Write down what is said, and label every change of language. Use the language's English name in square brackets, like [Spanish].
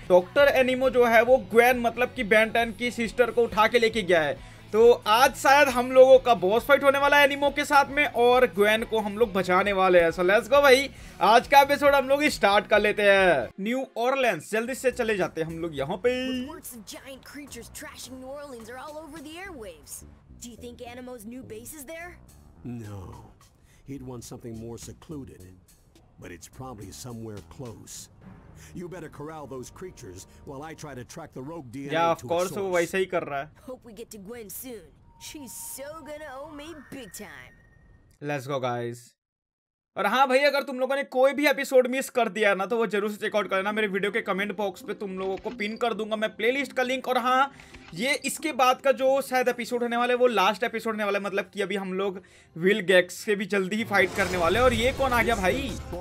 [Hindi] Doctor एनिमो जो है वो ग्वेन मतलब की बैन 10 की सिस्टर को उठा के लेके गया है। तो आज शायद हम लोगों का बॉस फाइट होने वाला है एनिमो के साथ में, और ग्वेन को हम लोग बचाने वाले हैं। सो लेट्स गो भाई, आज का एपिसोड हम लोग स्टार्ट कर लेते हैं। न्यू ऑरलियंस जल्दी से चले जाते हैं हम लोग यहाँ पे। [English] Reports of giant creatures trashing New Orleans are all over the airwaves. Do you think Animo's new base is there? No. He'd want something more secluded, but it's probably somewhere close. You better corral those creatures while I try to track the rogue DNA to its source. Yeah, of course, [Hindi] वो वैसे ही कर रहा है। [English] Hope we get to Gwen soon. She's so gonna owe me big time. Let's go, guys. [Hindi] और हाँ भाई, अगर तुम लोगों ने कोई भी एपिसोड मिस कर दिया ना, तो वो जरूर से चेकआउट कर लेना। मेरे वीडियो के कमेंट बॉक्स पे तुम लोगों को पिन कर दूंगा मैं प्लेलिस्ट का लिंक। और हाँ, ये इसके बाद का जो शायद एपिसोड होने वाला है वो लास्ट एपिसोड होने वाला है, मतलब कि अभी हम लोग विल गैक्स से भी जल्दी ही फाइट करने वाले। और ये कौन आ गया भाई?